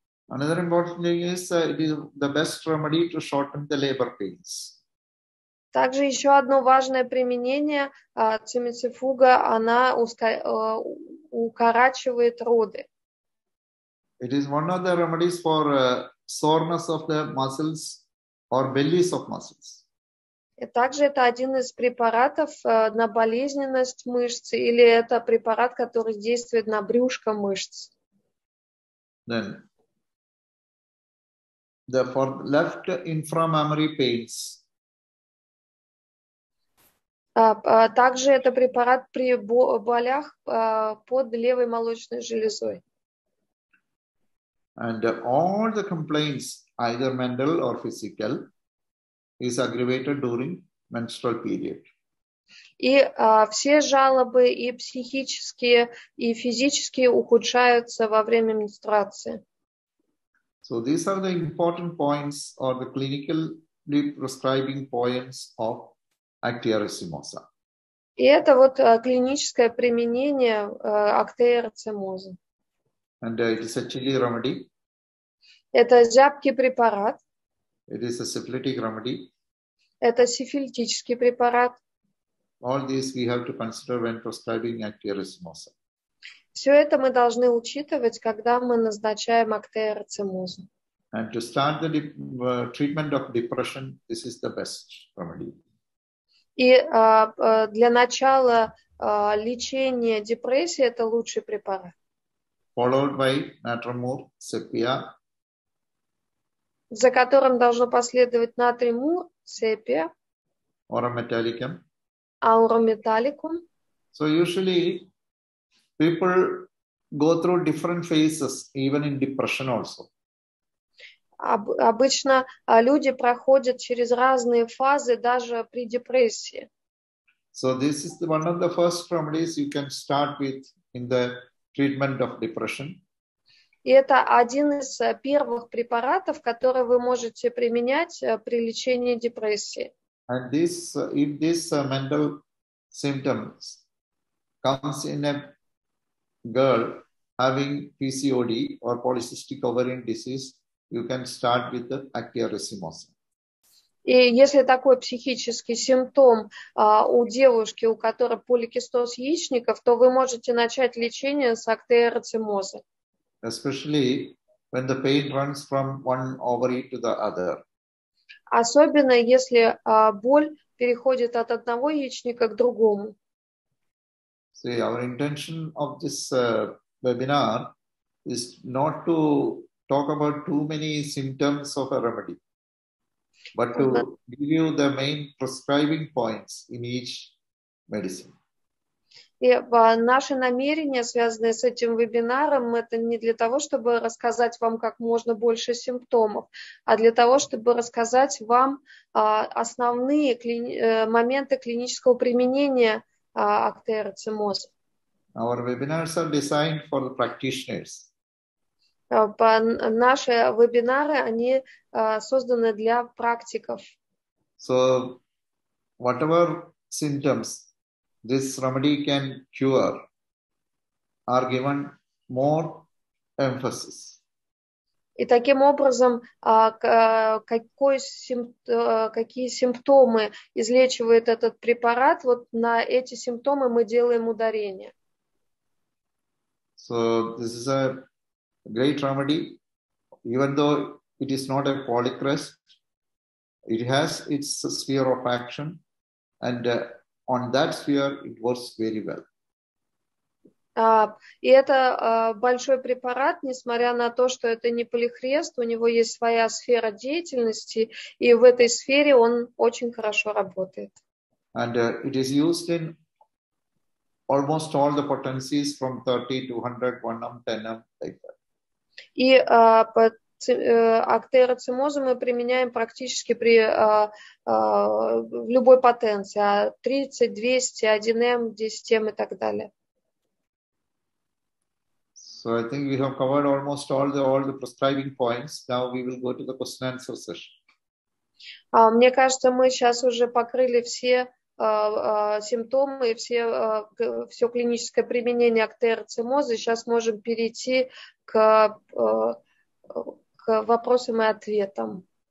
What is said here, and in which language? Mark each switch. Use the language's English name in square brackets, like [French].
[English] Another important thing is it is the best remedy to shorten the labor pains. [Russian] Также еще одно важное применение цимицефуга, она укорачивает роды. [English] It is one of the remedies for soreness of the muscles or bellies of muscles. [Russian] Также это один из препаратов на болезненность мышц или это препарат, который действует на брюшко мышц. [English] Then, the for left inframammary pains. [Russian] Также это препарат при болях под левой молочной железой. [English] And all the complaints, either mental or physical, is aggravated during menstrual period. [Russian] И все жалобы и психические, и физические ухудшаются во время менструации. [English] So these are the important points or the clinically prescribing points of Actaea racemosa. [Russian] И это вот клиническое применение Actaea racemosa. [English] And it is a chili remedy. [Russian] Это зябкий препарат. [English] It is a syphilitic remedy. [Russian] Это сифилитический препарат. [English] All these we have to consider when prescribing Actaea racemosa. [Russian] Все это мы должны учитывать, когда мы назначаем Actaea racemosa. [English] And to start the treatment of depression, this is the best remedy. [Russian] И для начала лечения депрессии это лучший препарат. [English] Followed by Natremur, Sepia. [Russian] За которым должно последовать Натремур, Сепия. [English] Аурометалликум. [Russian] Аурометалликум. [English] So usually people go through different phases even in depression also. [Russian] Обычно люди проходят через разные фазы даже при депрессии. [English] So this is one of the first remedies you can start with in the treatment of depression. [Russian] И это один из первых препаратов, который вы можете применять при лечении депрессии. [English] And this, if this mental symptoms comes in a girl having PCOD or polycystic ovarian disease, you can start with the Actaea racemosa. [Russian] И если такой психический симптом у девушки, у которой поликистоз яичников, то вы можете начать лечение с Actaea racemosa. [English] Especially when the pain runs from one ovary to the other. [Russian] Особенно если боль переходит от одного яичника к другому. [English] See, our intention of this webinar is not to talk about too many symptoms of a remedy, but to give you the main prescribing points in each medicine. [Russian] И наши намерения, связанные с этим вебинаром, это не для того, чтобы рассказать вам как можно больше симптомов, а для того, чтобы рассказать вам основные моменты клинического применения Actaea racemosa. [English] Our webinars are designed for the practitioners. [Russian] Наши вебинары, они созданы для практиков. [English] So, whatever symptoms this remedy can cure are given more emphasis. [Russian] И таким образом, какие симптомы излечивает этот препарат, вот на эти симптомы мы делаем ударение. [English] So, this is a great remedy, even though it is not a polycrest, it has its sphere of action, and on that sphere it works very well. [Russian] И это большой препарат, несмотря на то, что это не полихрест, у него есть своя сфера деятельности, и в этой сфере он очень хорошо работает. [English] And it is used in almost all the potencies from 30 to 100, 1 amp, 10 amp, like that. [Russian] И Actaea racemosa мы применяем практически при в любой потенции 30, 200, 1M, 10M и так далее. [English] So I think we have covered almost all the prescribing points. Now we will go to the question and answer session. [Russian] Мне кажется, мы сейчас уже покрыли все симптомы и все клиническое применение Actaea racemosa. Сейчас можем перейти к вопросам и ответам.